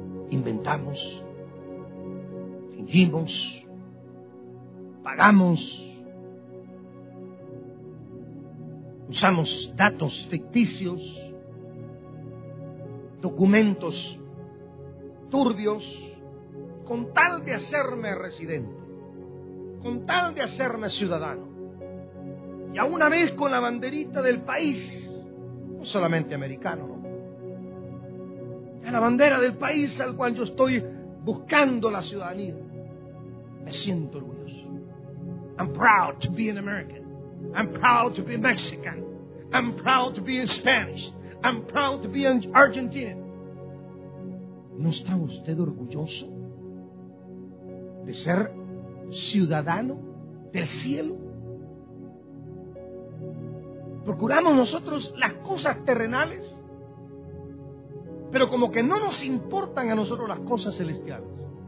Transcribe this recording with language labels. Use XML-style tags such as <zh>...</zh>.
<es>Inventamos, fingimos, pagamos, usamos datos ficticios, documentos turbios, con tal de hacerme residente, con tal de hacerme ciudadano. Y a una vez con la banderita del país, no solamente americano, ¿no? A la bandera del país al cual yo estoy buscando la ciudadanía. Me siento orgulloso.</es> <en>I'm proud to be an American. I'm proud to be Mexican. I'm proud to be Spanish. I'm proud to be an Argentinian.</en> <es>¿No está usted orgulloso de ser ciudadano del cielo? ¿Procuramos nosotros las cosas terrenales? Pero como que no nos importan a nosotros las cosas celestiales.</es>